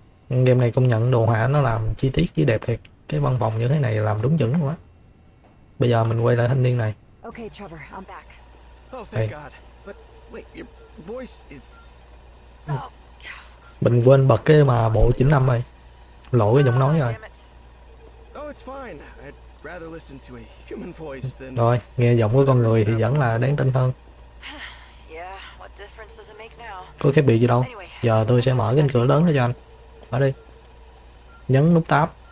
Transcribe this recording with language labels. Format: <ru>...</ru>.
<vi>Game này công nhận đồ họa nó làm chi tiết chứ đẹp thiệt. Cái văn phòng như thế này làm đúng chuẩn quá. Bây giờ mình quay lại thanh niên này.</vi> <en>Okay, Trevor, I'm back. Oh, thank God. But wait, your voice is...</en> <vi>Mình quên bật cái mà bộ 95 rồi. Lộ cái giọng nói rồi.</vi> <en>Oh, it's fine. I'd rather listen to a human voice than...</en> <vi>Rồi, nghe giọng của con người thì vẫn là đáng tin hơn.</vi> <en>Yeah, what difference does it make now?</en> <vi>Có khác biệt gì đâu. Giờ tôi sẽ mở cái cửa lớn đó cho anh. Mở đi. Nhấn nút tab.</vi>